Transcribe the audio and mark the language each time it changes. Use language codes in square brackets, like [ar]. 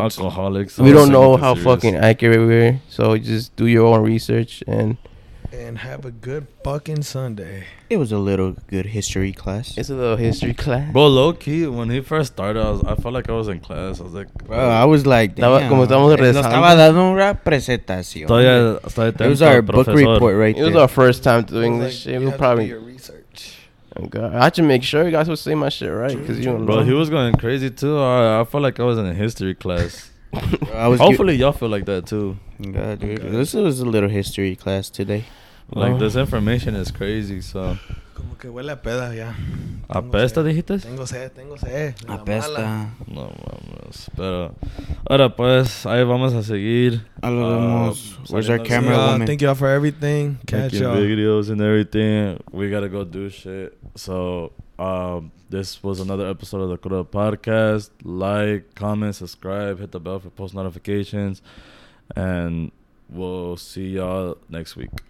[en] alcoholics. So we don't know how fucking accurate we are. So, just do your own research and... And have a good fucking Sunday. It was a little good history class. It's a little history class. Bro, low-key, when he first started, I felt like I was in class. I was like... Bro, I was like, damn. [es] Como estaba dando una presentación. [en] It was our book report right there. It was our first time doing this shit. We'll probably... God, I had to make sure you guys were saying my shit right, because you don't bro, know. He was going crazy too. I felt like I was in a history class. Hopefully y'all feel like that too. God, dude, God. This was a little history class today. Like, this information is crazy. So. [es] Como que huele a peda ya. Apesta, dijiste. Tengo sed. Apesta. No mames. Pero ahora pues, ahí vamos a seguir. A lo vemos. [en] Where's our camera woman? Thank y'all for everything. Catch y'all. Making videos and everything. We gotta go do shit. So, this was another episode of the Crudo Podcast. Like, comment, subscribe, hit the bell for post notifications, and we'll see y'all next week.